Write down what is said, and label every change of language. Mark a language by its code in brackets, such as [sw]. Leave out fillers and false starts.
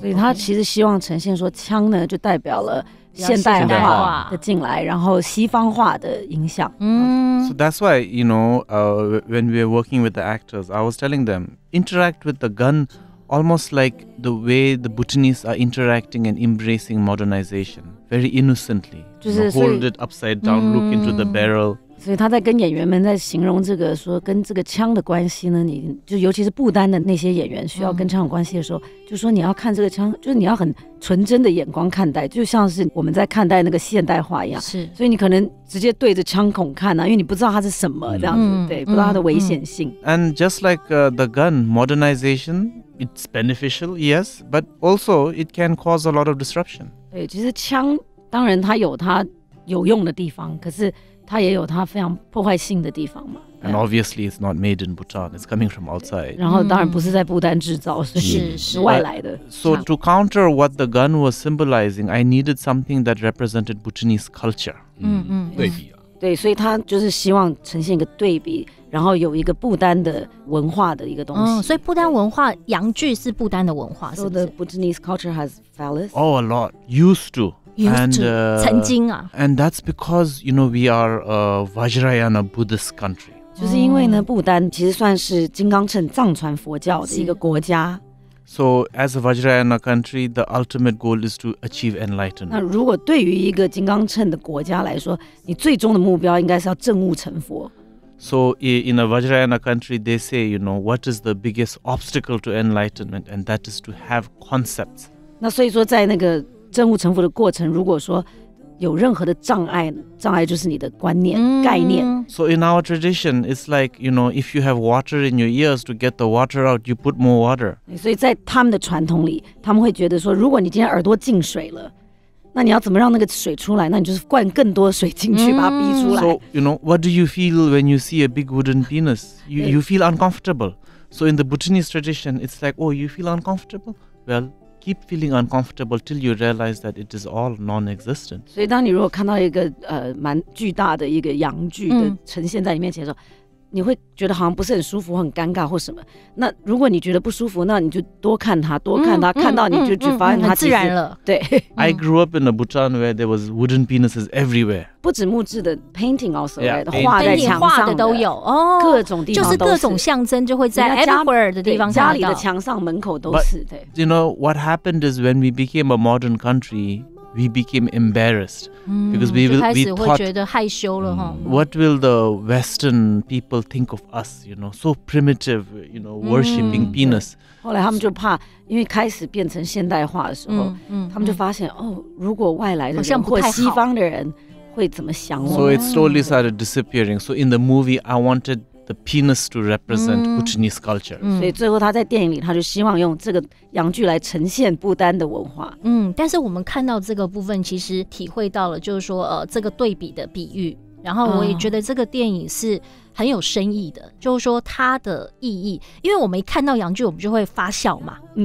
[zh] 所以他其实希望呈现说，枪呢就代表了。现代化的进来，然后西方化的影响。 [en] So that's why, you know, when we were working with the actors, I was telling them, interact with the gun almost like the way the Bhutanese are interacting and embracing modernization, very innocently. [zh] 就是 [en] hold it upside down, look into the barrel. [zh] 所以他在跟演员们在形容这个说跟这个枪的关系呢，你就尤其是不丹的那些演员需要跟枪有关系的时候，就说你要看这个枪，就是你要很纯真的眼光看待，就像是我们在看待那个现代化一样。是，所以你可能直接对着枪孔看啊，因为你不知道它是什么这样子，对，不知道它的危险性。 [en] And just like the gun, modernization, it's beneficial, yes, but also it can cause a lot of disruption. [zh] 对，其实枪当然它有它有用的地方，可是它也有它非常破坏性的地方嘛。 [en] And obviously it's not made in Bhutan, it's coming from outside. [zh] 然后当然不是在不丹制造，是是外来的。 [en] So to counter what the gun was symbolizing, I needed something that represented Bhutanese culture. [zh] 对比啊。对，所以他就是希望呈现一个对比，然后有一个不丹的文化的一个东西。所以不丹文化洋具是不丹的文化，是不是？ [en] So the Bhutanese culture has phallus? Oh, a lot. Used to. Used to. And that's because, you know, we are a Vajrayana Buddhist country. [zh] 就是因为呢，不丹其实算是金刚乘藏传佛教的一个国家。 [en] So as a Vajrayana country, the ultimate goal is to achieve enlightenment. [zh] 那如果对于一个金刚乘的国家来说，你最终的目标应该是要证悟成佛。 [en] So in a Vajrayana country, they say, you know, what is the biggest obstacle to enlightenment? And that is to have concepts. [zh] 那所以说在那个证悟成佛的过程，如果说有任何的障碍，障碍就是你的观念、概念。 [en] So in our tradition, it's like, you know, if you have water in your ears to get the water out, you put more water. [zh] 所以在他们的传统里，他们会觉得说，如果你今天耳朵进水了，那你要怎么让那个水出来？那你就是灌更多水进去，把它逼出来。 [en] So, you know, what do you feel when you see a big wooden penis? You feel uncomfortable. So in the Bhutanese tradition, it's like, oh, you feel uncomfortable? Well,Keep feeling uncomfortable till you realize that it is all non-existent. [zh] 所以当你如果看到一个蛮巨大的一个阳具的呈现在你面前的时候，你会觉得好像不是很舒服，很尴尬或什么。那如果你觉得不舒服，那你就多看它，多看它，看到你就去发现它自然了。对。 [en] I grew up in a Bhutan where there was wooden penises everywhere. [zh] 不止木质的 [en] painting also right, yeah, [zh] 画在墙上的都有哦，各种地方都是，就是各种象征就会在 everywhere 的地方看到，家里的墙上、门口都是。对。 [en] But, you know what happened is when we became a modern country. We became embarrassed because we thought, [zh] 会觉得害羞了哈。 [en] What will the Western people think of us? You know, so primitive. You know, worshipping penis. [zh] 后来他们就怕，因为开始变成现代化的时候，他们就发现哦，如果外来的人好像不太好，或西方的人会怎么想我？ [en] So it slowly started disappearing. So in the movie, I wanted the penis to represent Bhutanese culture. [zh] 所以最后他在电影里，他就希望用这个洋具来呈现不丹的文化。但是我们看到这个部分，其实体会到了，就是说，这个对比的比喻。然后我也觉得这个电影是很有深意的，就是说它的意义，因为我们一看到洋具，我们就会发笑嘛。